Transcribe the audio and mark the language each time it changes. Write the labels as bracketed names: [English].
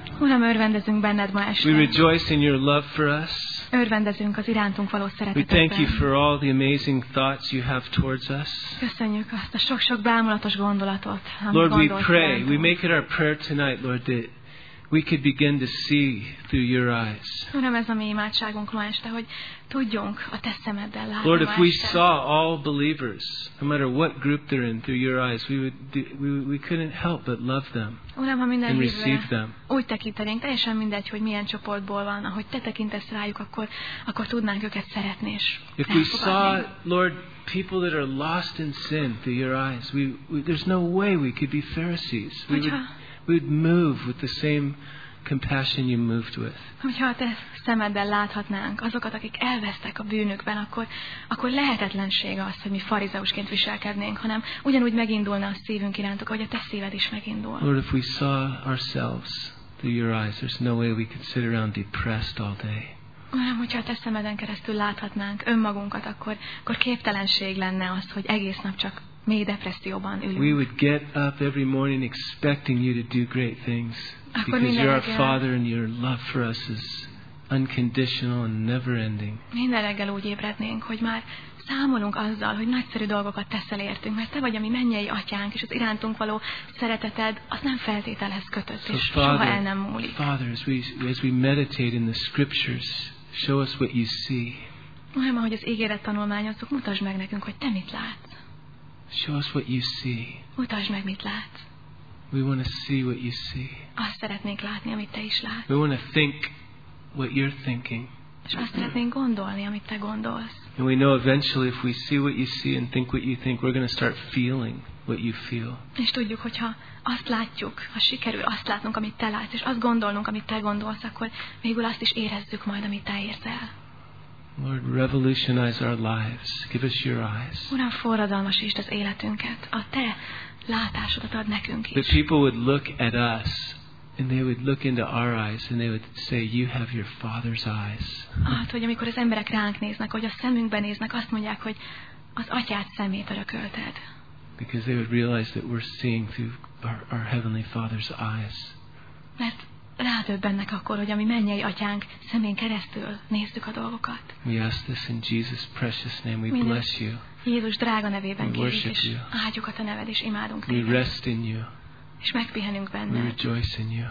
[Hungarian] Uram, örvendezünk benned ma este. [English] We rejoice in your love for us. [Hungarian] Örvendezünk az irántunk való szeretetben. [English] We thank you for all the amazing thoughts you have towards us. [Hungarian] Köszönjük azt a sok-sok bámulatos gondolatot. [English] Lord, we pray. We make it our prayer tonight, Lord, that we could begin to see through your eyes. [Hungarian] Uram, ez a mi imádságunk ma este, hogy tudjunk a te szemeddel látni. [English] Lord, if we saw all believers, no matter what group they're in, through your eyes, we couldn't help but love them. [Hungarian] Uram, ha minden hívő úgy tekintenénk, teljesen mindegy, hogy milyen csoportból van, ahogy te tekintesz rájuk, akkor tudnánk őket szeretni és elfogadni. [English] If we saw, Lord, people that are lost in sin through your eyes, we there's no way we could be Pharisees. We'd move with the same compassion you moved with. [Hungarian] Hogyha a te szemeddel láthatnánk azokat, akik elvesztek a bűnükben, akkor lehetetlenség az, hogy mi farizeusként viselkednénk, hanem ugyanúgy megindulna a szívünk irántuk, ahogy a te szíved is megindul. [English] Lord, if we saw ourselves through your eyes, there's no way we could sit around depressed all day. [Hungarian] Uram, hogyha a te szemeden keresztül láthatnánk önmagunkat, akkor képtelenség lenne az, hogy egész nap csak mély depresszióban ülünk. [English] We would get up every morning expecting you to do great things. [Hungarian] Akkor [English] because you're our Father and your love for us is unconditional and never ending. [Hungarian] Minden reggel úgy ébrednénk, hogy már számolunk azzal, hogy nagyszerű dolgokat teszel értünk, mert te vagy a mi mennyei atyánk, és az irántunk való szereteted, az nem feltételhez kötött, [English] so [Hungarian] és [English] Father, [Hungarian] soha el nem múlik. [English] Father, as we meditate in the scriptures, show us what you see. [Hungarian] Uram, ahogy az ígéret tanulmányozzuk, mutasd meg nekünk, hogy te mit látsz. [English] Show us what you see. [Hungarian] Mutasd meg, mit látsz. [English] We want to see what you see. [Hungarian] Azt szeretnénk látni, amit te is látsz. [English] We want to think what you're thinking. [Hungarian] És azt szeretnénk gondolni, amit te gondolsz. [English] And we know eventually if we see what you see and think what you think, we're going to start feeling what you feel. [Hungarian] És tudjuk, hogyha azt látjuk, ha sikerül azt látnunk, amit te látsz, és azt gondolnunk, amit te gondolsz, akkor végül azt is érezzük majd, amit te érzel. [English] Lord, revolutionize our lives. Give us your eyes. [Hungarian] Uram, forradalmasítsd az életünket. A te látásodat ad nekünk is. [English] The people would look at us and they would look into our eyes and they would say, you have your Father's eyes. [Hungarian] Hát, hogy amikor az emberek ránk néznek, hogy a szemünkbe néznek, azt mondják, hogy az atyád szemét örökölted. [English] Because they would realize that we're seeing through our Heavenly Father's eyes. [Hungarian] Mert rádöbbennek akkor, hogy a mi mennyei atyánk szemén keresztül nézzük a dolgokat. [English] We ask this in Jesus' precious name. We bless you. [Hungarian] Jézus drága nevében kérjük, és áldjuk a te neved, és imádunk téged. [English] We rest in you. [Hungarian] És megpihenünk benned. [English] We rejoice in you.